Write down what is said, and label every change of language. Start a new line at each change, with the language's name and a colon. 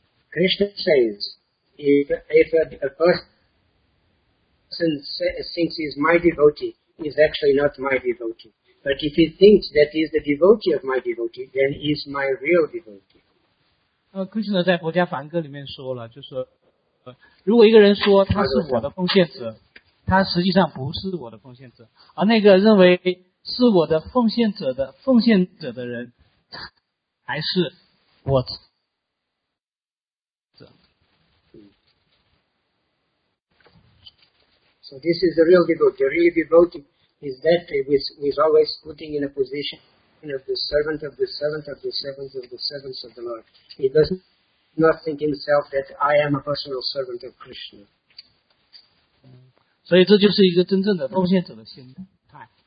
English: Krishna says, if a person thinks he is my devotee, he is actually not my devotee. But if he thinks that he is the devotee of my devotee, then he is my real devotee.
Chinese: Krishna 在佛家梵歌里面说了，就是如果一个人说他是我的奉献者，他实际上不是我的奉献者，而那个认为是我的奉献者的奉献者的人，还是我。
English: So this is the real devotee. The real devotee is that who is always putting in a position of the servant of the servant of the servant of the servants of the Lord. He does not think himself that I am a personal servant of Krishna.
Chinese: 所以这就是一个真正的奉献者的心态。